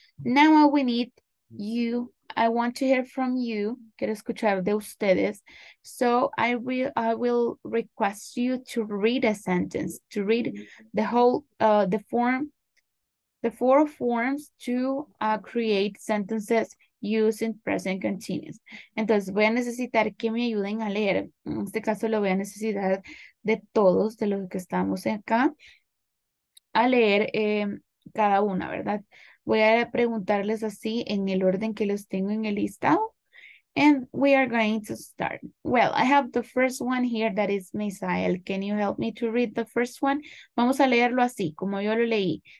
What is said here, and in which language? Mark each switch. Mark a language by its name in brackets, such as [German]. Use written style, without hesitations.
[English] Now what we need you, I want to hear from you. [Spanish] Quiero escuchar de ustedes. [English] So I will request you to read a sentence, to read the whole the form, the four forms to create sentences using present continuous. [Spanish] Entonces voy a necesitar que me ayuden a leer. En este caso lo voy a necesitar de todos, de los que estamos acá, a leer cada una, ¿verdad? Voy a preguntarles así en el orden que los tengo en el listado. [English] And we are going to start. Well, I have the first one here that is Misael. Can you help me to read the first one? [Spanish] Vamos a leerlo así, como yo lo leí.